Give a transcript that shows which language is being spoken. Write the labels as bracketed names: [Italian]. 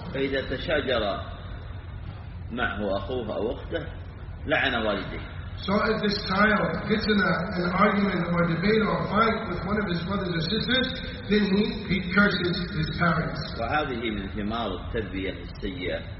[Arabic] فإذا تشاجر معه أخوه أو أخته لعن والده. [English] So if this child gets in an argument or a debate or a fight with one of his brothers or sisters, then he curses his parents. [Arabic] وهذه من ثمار التربية السيئة.